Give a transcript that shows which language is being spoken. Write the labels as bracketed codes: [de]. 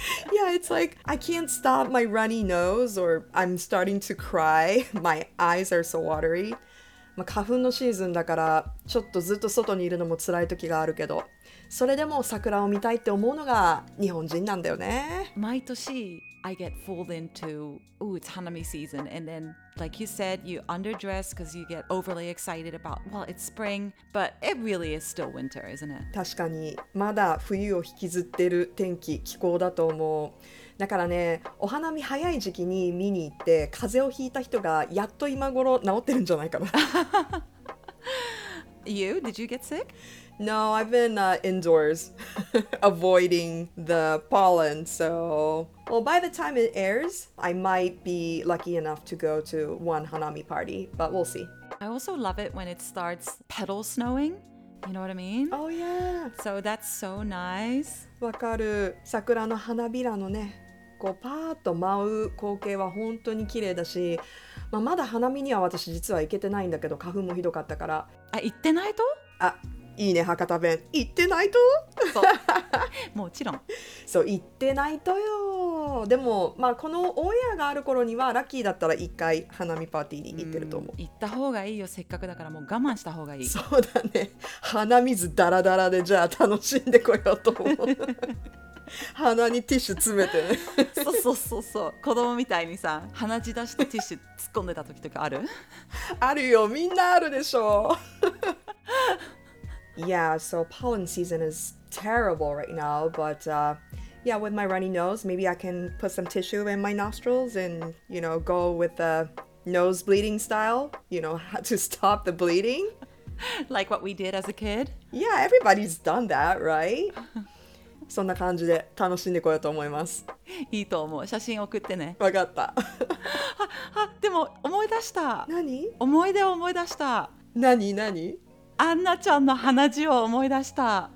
[en] Yeah, it's like I can't stop my runny nose or I'm starting to cry. My eyes are so watery. [ja] まあ、花粉のシーズンだからちょっとずっと外にいるのも辛い時があるけど、それでも桜を見たいって思うのが日本人なんだよね。毎年 [en] I get fooled into, ooh, it's hanami season. And then, like you said, you underdress because you get overly excited about, well, it's spring, but it really is still winter, isn't it? [ja] 確かに、まだ冬を引きずってる天気、気候だと思う。だからね、お花見早い時期に見に行って風邪をひいた人がやっと今頃治ってるんじゃないかな。 [en] You? Did you get sick? No, I've been indoors avoiding the pollen. So, well, by the time it airs, I might be lucky enough to go to one hanami party, but we'll see. I also love it when it starts petal snowing. You know what I mean? Oh yeah. So that's so nice. [ja] わかる。桜の花びらのね、こうパーッと舞う光景は本当に綺麗だし、まあ、まだ花見には私実は行けてないんだけど、花粉もひどかったから。あ、行ってないと？あ、いいね、博多弁。行ってないと？そう。もちろん。そう、行ってないとよ。でも、まあ、このオンエアがある頃にはラッキーだったら一回花見パーティーに行ってると思う。行った方がいいよ、せっかくだからもう我慢した方がいい。そうだね、鼻水ダラダラでじゃあ楽しんでこようと思う。鼻にティッシュ詰めて、ね、そうそうそうそう、子供みたいにさ鼻血出してティッシュ突っ込んでた時とかある？あるよ、みんなあるでしょう。 [en] Yeah, so pollen season is terrible right now, but Yeah, with my runny nose, maybe I can put some tissue in my nostrils and, you know, go with the nose bleeding style, you know, how to stop the bleeding. Like what we did as a kid? Yeah, everybody's done that, right? [ja] そんな感じで楽しんでこようと思います。いいと思う。写真送ってね。わかった。あ、あ、でも思い出した。何？思い出を思い出した。何？何？アンナちゃんの鼻血を思い出した。